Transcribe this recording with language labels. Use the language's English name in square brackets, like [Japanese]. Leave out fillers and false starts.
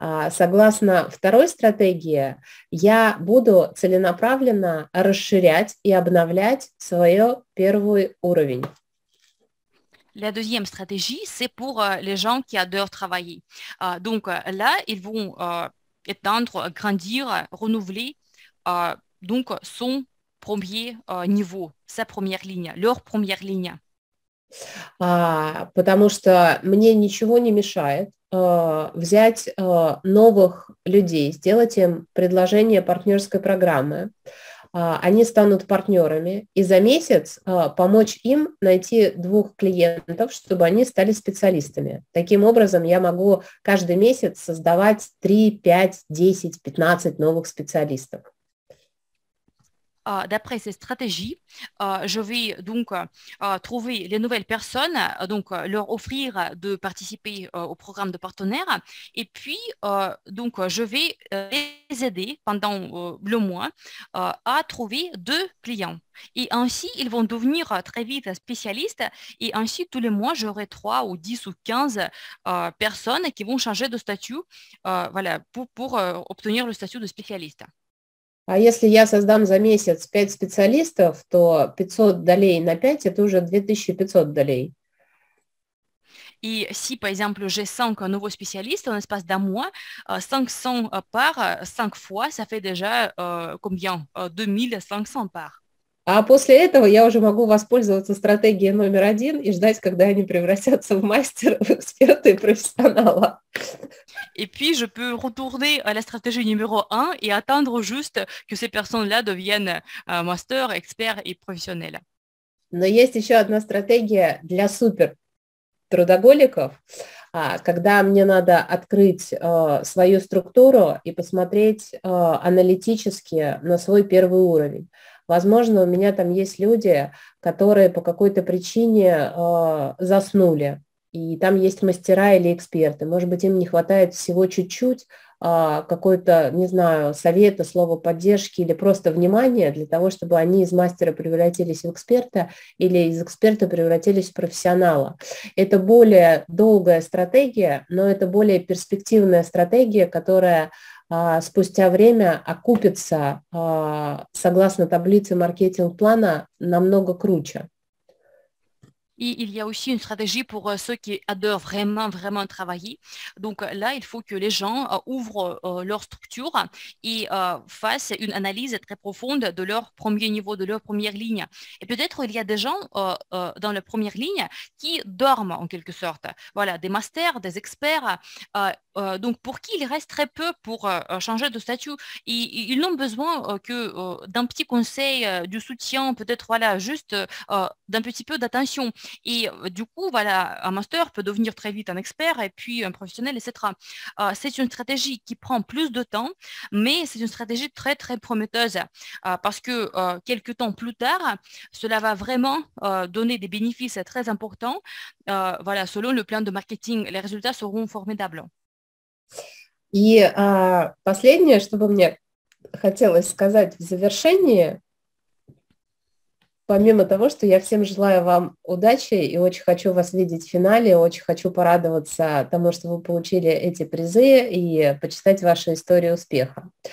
[Russian] Согласно второй стратегии, я буду целенаправленно расширять и обновлять свой первый уровень. [French] La deuxième stratégie, c'est pour les gens qui adorent travailler. Donc là, ils vont étendre, grandir, renouveler donc son premier niveau, sa première ligne, leur première ligne. [Russian] Потому что мне ничего не мешает взять новых людей, сделать им предложение партнерской программы. Они станут партнерами и за месяц помочь им найти двух клиентов, чтобы они стали специалистами. Таким образом, я могу каждый месяц создавать 3, 5, 10, 15 новых специалистов. [French] D'après ces stratégies, je vais donc trouver les nouvelles personnes, donc leur offrir de participer au programme de partenaires, et puis donc je vais les aider pendant le mois à trouver deux clients. Et ainsi, ils vont devenir très vite spécialistes, et ainsi, tous les mois, j'aurai 3 ou 10 ou 15 personnes qui vont changer de statut voilà, pour obtenir le statut de spécialiste. [Russian] А если я создам за месяц 5 специалистов, то 500 долей на 5 – это уже 2500 долей. И [French] si, par exemple, j'ai 5 nouveaux spécialistes en espace d'un mois, 500 par 5 fois, ça fait déjà combien? 2500 par. [Russian] А после этого я уже могу воспользоваться стратегией номер один и ждать, когда они превратятся в мастера, в эксперта и профессионала. [French] Et puis je peux retourner à la stratégie numéro 1 et attendre juste que ces personnes-là deviennent master, expert et professionnel. [Russian] Но есть еще одна стратегия для супер трудоголиков, когда мне надо открыть свою структуру и посмотреть аналитически на свой первый уровень. Возможно, у меня там есть люди, которые по какой-то причине заснули. И там есть мастера или эксперты. Может быть, им не хватает всего чуть-чуть какой-то, не знаю, совета, слова поддержки или просто внимания для того, чтобы они из мастера превратились в эксперта или из эксперта превратились в профессионала. Это более долгая стратегия, но это более перспективная стратегия, которая спустя время окупится, согласно таблице маркетинг-плана, намного круче. [French] Et il y a aussi une stratégie pour ceux qui adorent vraiment, vraiment travailler. Donc là, il faut que les gens ouvrent leur structure et fassent une analyse très profonde de leur premier niveau, de leur première ligne. Et peut-être il y a des gens dans la première ligne qui dorment en quelque sorte. Voilà, des masters, des experts. Donc pour qui il reste très peu pour changer de statut. Et ils n'ont besoin que d'un petit conseil, du soutien, peut-être voilà, juste d'un petit peu d'attention. Et du coup, voilà, un master peut devenir très vite un expert et puis un professionnel, etc. C'est une stratégie qui prend plus de temps, mais c'est une stratégie très, très prometteuse parce que quelques temps plus tard, cela va vraiment donner des bénéfices très importants. Voilà, selon le plan de marketing, les résultats seront formidables. [Russian] И последнее, что бы мне хотелось сказать в завершении, помимо того, что я всем желаю вам удачи и очень хочу вас видеть в финале, очень хочу порадоваться тому, что вы получили эти призы и почитать вашу историю успеха.